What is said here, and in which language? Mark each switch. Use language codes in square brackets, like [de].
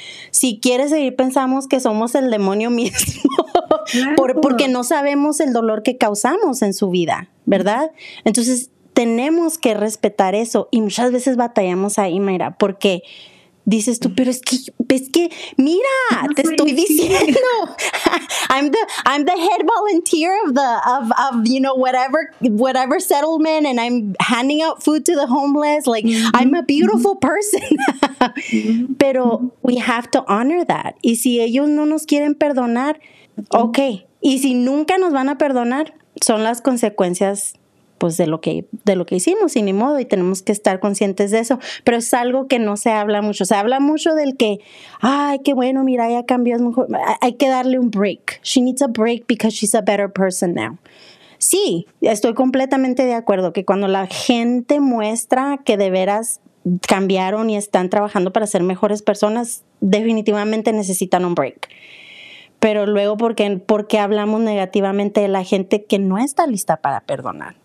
[es] Si quiere seguir, pensamos que somos el demonio mismo. Claro. Porque no sabemos el dolor que causamos en su vida, ¿verdad? Entonces, tenemos que respetar eso. Y muchas veces batallamos ahí, Mayra, porque dices tú, pero es que mira, no, te estoy diciendo. [en] I'm the head volunteer of you know, whatever settlement, and I'm handing out food to the homeless. Like, mm-hmm. I'm a beautiful mm-hmm. person. Pero mm-hmm. we have to honor that. [es] Y si ellos no nos quieren perdonar, ok, y si nunca nos van a perdonar, son las consecuencias, pues, de lo que hicimos, y ni modo, y tenemos que estar conscientes de eso. Pero es algo que no se habla mucho. Se habla mucho del que, ay, qué bueno, mira, ya cambió, es mejor. Hay que darle un break. [en] She needs a break because she's a better person now. [es] Sí, estoy completamente de acuerdo que cuando la gente muestra que de veras cambiaron y están trabajando para ser mejores personas, definitivamente necesitan un break. Pero luego, ¿por qué hablamos negativamente de la gente que no está lista para perdonar?